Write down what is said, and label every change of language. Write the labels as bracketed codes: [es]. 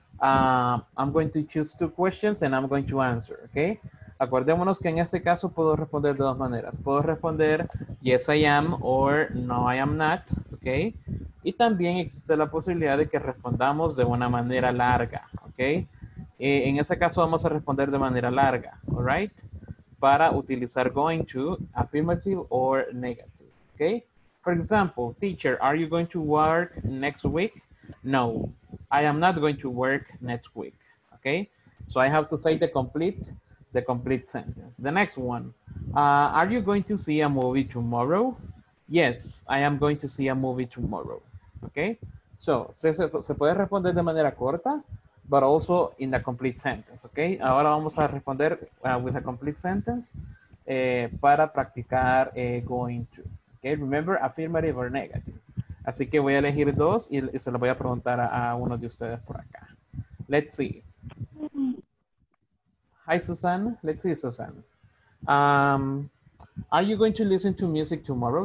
[en] I'm going to choose two questions and I'm going to answer, okay? [es] Acordémonos que en este caso puedo responder de dos maneras. Puedo responder [en] yes I am or no I am not, [es] okay? Y también existe la posibilidad de que respondamos de una manera larga, okay? En este caso vamos a responder de manera larga, all right? Para utilizar going to, [en] affirmative or negative, [es] okay? [en] For example, teacher, are you going to work next week? No, I am not going to work next week. Okay, so I have to say the complete sentence. The next one, are you going to see a movie tomorrow? Yes, I am going to see a movie tomorrow. Okay, so [es] se puede responder de manera corta, [en] but also in the complete sentence. [es] Okay, ahora vamos a responder [en] with a complete sentence [es] para practicar going to. [en] Okay, remember affirmative or negative. [es] Así que voy a elegir dos y se lo voy a preguntar a uno de ustedes por acá. [en] Let's see. Hi, Susan. Let's see, Susan. Are you going to listen to music tomorrow?